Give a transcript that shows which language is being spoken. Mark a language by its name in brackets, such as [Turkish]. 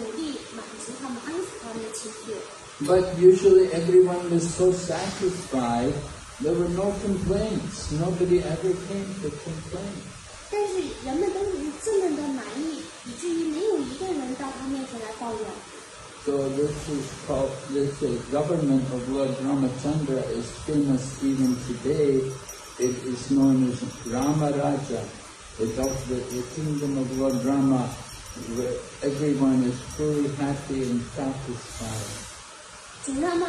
[Chinese] 所以在主拉玛昌者的时代呢，他就设立了这样一个体制，任何有抱怨的人都可以来到他面前呢，来提出他们的抱怨，而他自己会努力满足他们，安抚他们的情绪。 [English] But usually everyone was so satisfied, there were no complaints. Nobody ever came to complain. [Chinese] 但是人们都是这么的满意，以至于没有一个人到他面前来抱怨。 [English] So this is called, this is government of Lord Ramachandra is famous even today. It is known as Rama Raja. It's of the kingdom of Lord Rama where everyone is fully happy and satisfied.